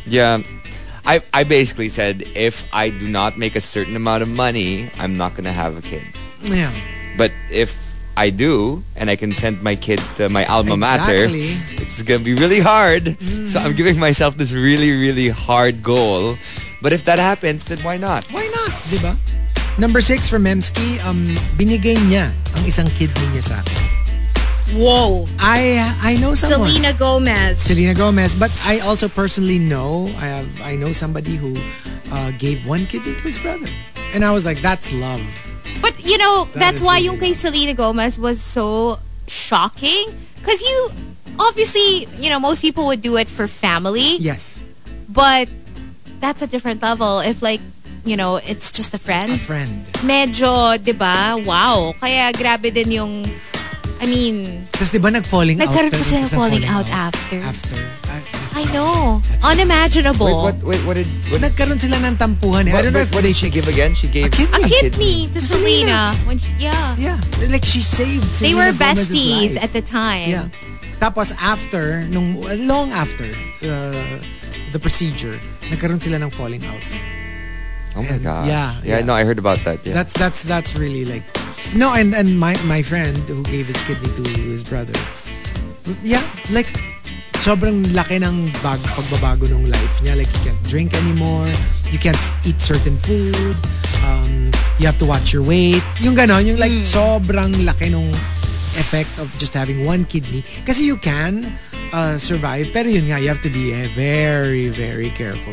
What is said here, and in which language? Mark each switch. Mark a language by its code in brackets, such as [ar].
[en] Yeah, I basically said, if I do not make a certain amount of money, I'm not going to have a kid. Yeah. But if I do, and I can send my kid to my alma mater, which is going to be really hard, so I'm giving myself this really, really hard goal. But if that happens, then why not? Why not, diba? Number 6 from Memski, [tl] binigay niya ang isang kidney niya sa akin. [en] Whoa. I know someone. Selena Gomez. But I also personally know, I know somebody who gave one kidney to his brother. And I was like, that's love. But, you know, that's why [tl] yung kay [en] Selena Gomez was so shocking. Because you, obviously, you know, most people would do it for family. Yes. But that's a different level. If like, you know, it's just a friend. A friend. [tl] Medyo, diba? Wow. Kaya grabe din yung, [en] I mean. [tl] Tapos diba nag-falling out? Nagkaroon pa siya falling out after. [en] After. I know. That's unimaginable. Wait, what? [tl] Nagkaroon sila ng tampuhan. [en] What, I don't know if what did she give again? She gave a kidney to Selena. When she, yeah. Like she saved Selena. They were besties at the time. Yeah. Tapos after, nung, long after the procedure, [tl] nagkaroon sila ng falling out. [en] Oh my and, gosh. Yeah, no, I heard about that. Yeah. That's really like, no, and my friend who gave his kidney to his brother. [tl] Yeah, like, sobrang laki ng pagbabago ng life niya. [en] Like, you can't drink anymore. You can't eat certain food. You have to watch your weight. [tl] Yung ganon, yung like, sobrang laki ng [en] effect of just having one kidney. Kasi you can survive. [tl] Pero yun nga, [en] you have to be very, very careful.